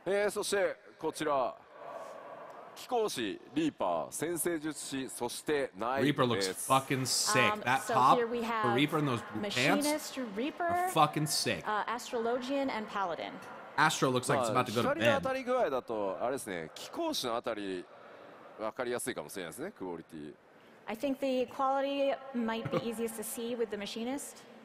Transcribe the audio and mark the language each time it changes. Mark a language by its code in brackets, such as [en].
[ja] そしてこちら、機甲士、リーパー、先制術師、そしてナイフです。Reaper [en] looks fucking sick. That top, so here we have the Reaper in those blue pants, Reaper, fucking sick. Astrologian and Paladin. Astro looks like it's about to go to bed. [ja] 光の当たり具合だと、あれですね、機甲士のあたり、わかりやすいかもしれないですね、クオリティ。 [en] I think the quality might be easiest to see with the machinist.